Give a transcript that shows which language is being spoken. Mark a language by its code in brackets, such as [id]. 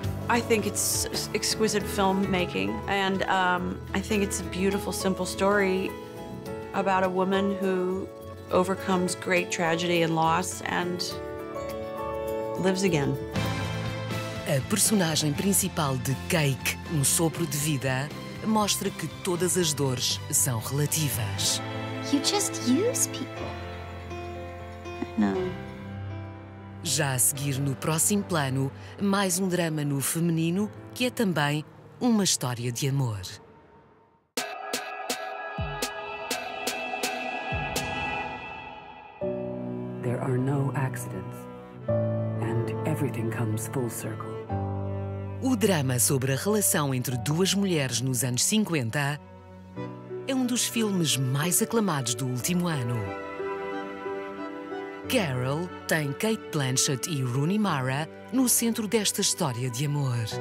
[en] I think it's exquisite filmmaking, and I think it's a beautiful, simple story about a woman who overcomes great tragedy and loss and lives again. [pt] A personagem principal de Cake, um sopro de vida, mostra que todas as dores são relativas. [en] You just use people. [pt] Não. Já a seguir no próximo plano, mais um drama no feminino que é também uma história de amor. [en] There are no accidents and everything comes full circle. [pt] O drama sobre a relação entre duas mulheres nos anos 50 é um dos filmes mais aclamados do último ano. Carol tem Kate Blanchett e Rooney Mara no centro desta história de amor.